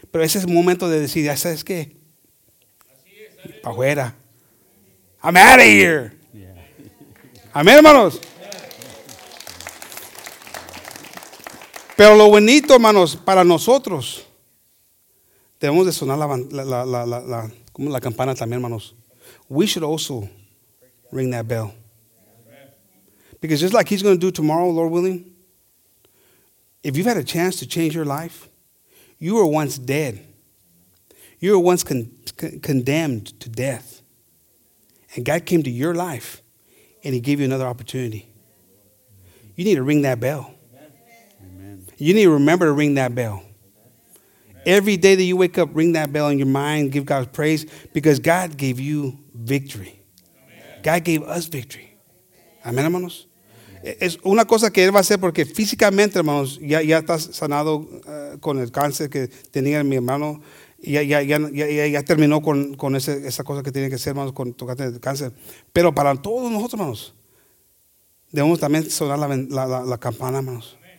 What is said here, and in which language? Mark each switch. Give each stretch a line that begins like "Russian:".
Spanish: Pero ese es el momento de decir, ya sabes qué, así es, para afuera.
English: I'm out of here. Yeah.
Spanish: Amén, hermanos. Pero lo bonito, hermanos, para nosotros, debemos de sonar la campana también, hermanos.
English: We should also ring that bell. Because just like he's going to do tomorrow, Lord willing, if you've had a chance to change your life, you were once dead. You were once condemned to death. And God came to your life, and he gave you another opportunity. You need to ring that bell. Amen. You need to remember to ring that bell. Amen. Every day that you wake up, ring that bell in your mind, give God praise, because God gave you victory. Amen. God gave us victory. Amen, hermanos.
Spanish: Es una cosa que él va a hacer porque físicamente, hermanos, ya estás sanado con el cáncer que tenía mi hermano. Ya terminó con esa cosa que tiene que hacer, hermanos, con tocarte el cáncer. Pero para todos nosotros, hermanos, debemos también sonar la campana, hermanos.